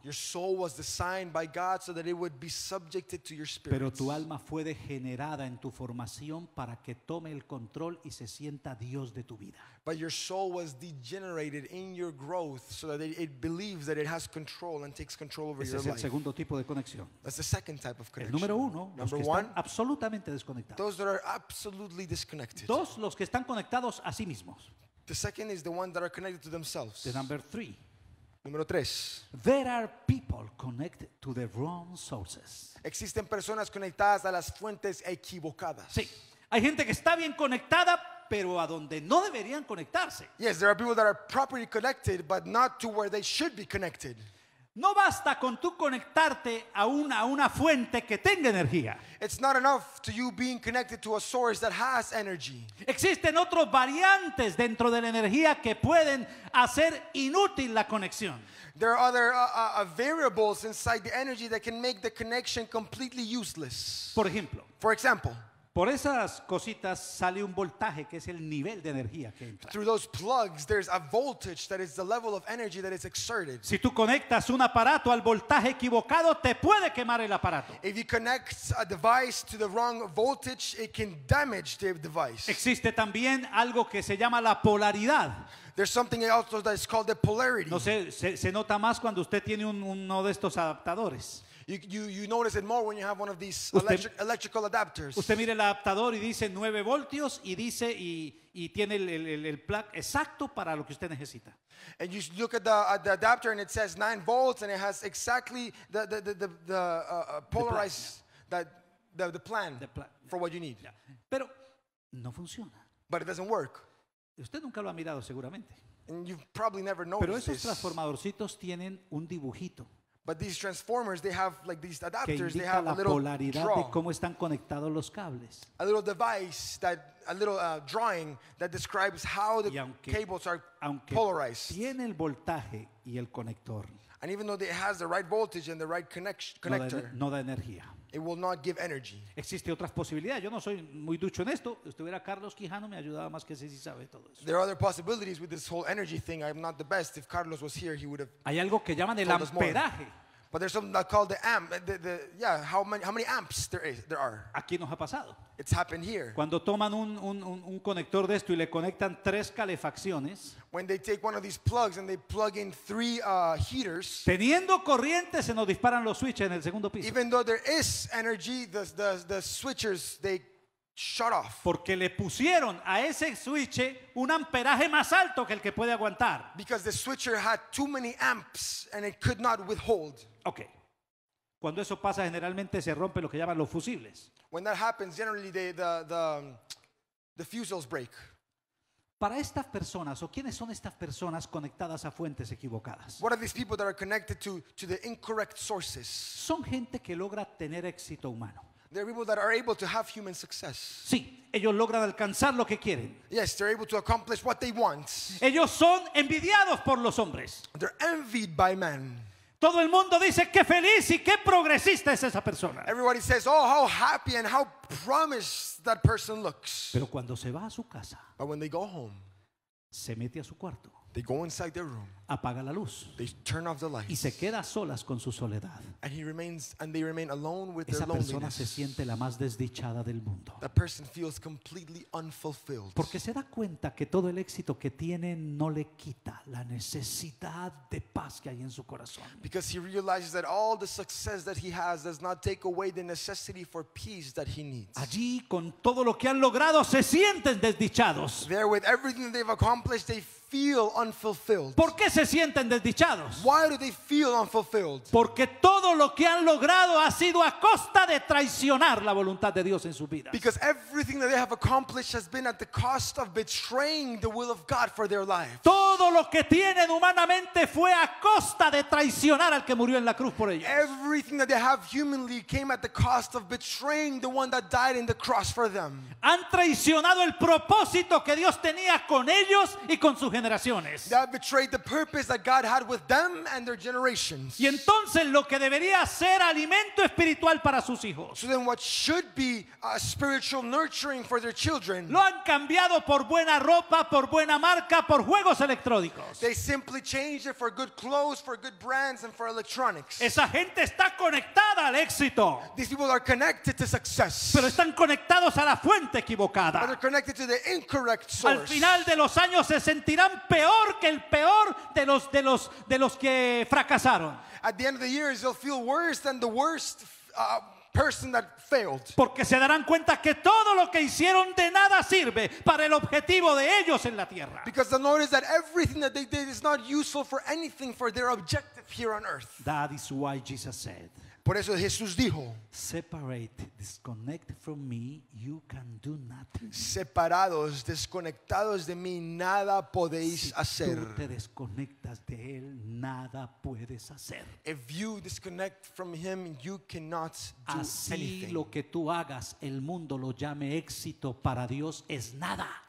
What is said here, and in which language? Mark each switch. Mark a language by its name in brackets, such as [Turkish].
[English] Your soul was designed by God so that it would be subjected to your spirit. [Spanish] Pero tu alma fue degenerada en tu formación para que tome el control y se sienta Dios de tu vida. [English] But your soul was degenerated in your growth so that it believes that it has control and takes control over [Spanish] ese [English] your life. [Spanish] Ese es el segundo tipo de conexión. [English] That's the second type of connection. [Spanish] El número uno, [English] number [Spanish] los que [English] one, [Spanish] están absolutamente desconectados. [English] Those that are absolutely disconnected. [Spanish] Dos, los que están conectados a sí mismos. [English] The second is the one that are connected to themselves. The number three. [Spanish] Número tres. [English] There are people connected to the wrong sources. [Spanish] Existen personas conectadas a las fuentes equivocadas. Sí. Hay gente que está bien conectada, pero a donde no deberían conectarse. [English] Yes, there are people that are properly connected, but not to where they should be connected. [Spanish] No basta con tú conectarte a una fuente que tenga energía. [English] It's not enough to you being connected to a source that has energy. [Spanish] Existen otros variantes dentro de la energía que pueden hacer inútil la conexión. [English] There are other variables inside the energy that can make the connection completely useless. [Spanish] Por ejemplo. [English] For example. [Spanish] Por esas cositas sale un voltaje que es el nivel de energía que entra. [English] Through those plugs there's a voltage that is the level of energy that is exerted. [Spanish] Si tú conectas un aparato al voltaje equivocado te puede quemar el aparato. [English] If you connect a device to the wrong voltage it can damage the device. [Spanish] Existe también algo que se llama la polaridad. [English] There's something else that is called the polarity. [Spanish] No sé, se nota más cuando usted tiene uno de estos adaptadores. [English] You notice it more when you have one of these electrical adapters. [Spanish] Usted mira el adaptador y dice 9 voltios y dice y tiene el plug exacto para lo que usted necesita. [English] And you look at the adapter and it says 9 volts and it has exactly the polarized the plan for what you need. Yeah. [Spanish] Pero no funciona. [English] But it doesn't work. [Spanish] Usted nunca lo ha mirado seguramente. [English] And you've probably never noticed. [Spanish] Pero esos transformadorcitos tienen un dibujito. [English] But these transformers, they have like these adapters, they have a little draw. [Spanish] De cómo están conectados los cables. [English] A little device, drawing that describes how the cables are polarized. [Spanish] Tiene el voltaje y el conector. [English] And even though it has the right voltage and the right connector, [Spanish] no da energía. [English] It will not give energy. [Spanish] Existe otras posibilidades. Yo no soy muy ducho en esto. Si estuviera Carlos Quijano me ayudaba más que si sí sabe todo eso. [English] There are other possibilities with this whole energy thing. I'm not the best. If Carlos was here, he would have. [Spanish] Hay algo que llaman el amperaje. [English] But there's something that's called the amp. How many amps there are? [Spanish] Aquí nos ha pasado. [English] It's happened here. [Spanish] Cuando toman un conector de esto y le conectan 3 calefacciones. [English] When they take one of these plugs and they plug in 3 heaters. [Spanish] Teniendo corriente se nos disparan los switches en el segundo piso. [English] Even though there is energy, the switches they shut off. [Spanish] Porque le pusieron a ese switch un amperaje más alto que el que puede aguantar. [English] Because the switcher had too many amps and it could not withhold. Okay. [Spanish] Cuando eso pasa generalmente se rompe lo que llaman los fusibles. [English] When that happens generally the fusibles break. [Spanish] Para estas personas o quiénes son estas personas conectadas a fuentes equivocadas. [English] What are these people that are connected to the incorrect sources? [Spanish] Son gente que logra tener éxito humano. [English] There are people that are able to have human success. [Spanish] Sí, ellos logran alcanzar lo que quieren. [English] Yes, they're able to accomplish what they want. [Spanish] Ellos son envidiados por los hombres. [English] They're envied by men. [Spanish] Todo el mundo dice qué feliz y qué progresista es esa persona. [English] Everybody says, oh, how happy and how promised that person looks. [Spanish] Pero cuando se va a su casa, [English] but when they go home, [Spanish] se mete a su cuarto. [English] They go inside their room. [Spanish] Apaga la luz. [English] They turn off the lights. [Spanish] Y se queda solas con su soledad. [English] And they remain alone with their loneliness. [Spanish] Esa persona se siente la más desdichada del mundo. [English] That person feels completely unfulfilled. [Spanish] Porque se da cuenta que todo el éxito que tiene no le quita la necesidad de paz que hay en su corazón. [English] Because he realizes that all the success that he has does not take away the necessity for peace that he needs. [Spanish] Allí con todo lo que han logrado se sienten desdichados. [English] There with everything that they've accomplished they feel unfulfilled. [Spanish] ¿Por qué se sienten desdichados? [English] Why do they feel unfulfilled? [Spanish] Porque todo lo que han logrado ha sido a costa de traicionar la voluntad de Dios en su vida. [English] Because everything that they have accomplished has been at the cost of betraying the will of God for their life. [Spanish] Todo lo que tienen humanamente fue a costa de traicionar al que murió en la cruz por ellos. [English] Everything that they have humanly came at the cost of betraying the one that died in the cross for them. [Spanish] Han traicionado el propósito que Dios tenía con ellos y con sus generaciones. [English] They have betrayed the purpose that God had with them and their generations. [Spanish] Y entonces lo que debería ser alimento espiritual para sus hijos. [English] So then what should be a spiritual nurturing for their children. [Spanish] Lo han cambiado por buena ropa, por buena marca, por juegos electrónicos. [English] They simply changed it for good clothes, for good brands, and for electronics. [Spanish] Esa gente está conectada al éxito. [English] These people are connected to success. [Spanish] Pero están conectados a la fuente equivocada. [English] But they're connected to the incorrect source. [Spanish] Al final de los años 60 sentirán peor que el peor de los que fracasaron. [English] At the end of the year, they'll feel worse than the worst person that failed. [Spanish] Porque se darán cuenta que todo lo que hicieron de nada sirve para el objetivo de ellos en la tierra. [English] Because they'll notice that everything that they did is not useful for anything for their objective here on earth. That is why Jesus said. [Spanish] Por eso Jesús dijo, [English] separate, disconnect from me, you can do nothing. [Spanish] Separados, desconectados de mí, nada podéis hacer. Tú te desconectas de él, nada puedes hacer. [English] If you disconnect from him, you cannot do [Spanish] así [English] anything. [Spanish] Lo que tú hagas, el mundo lo llame éxito, para Dios es nada.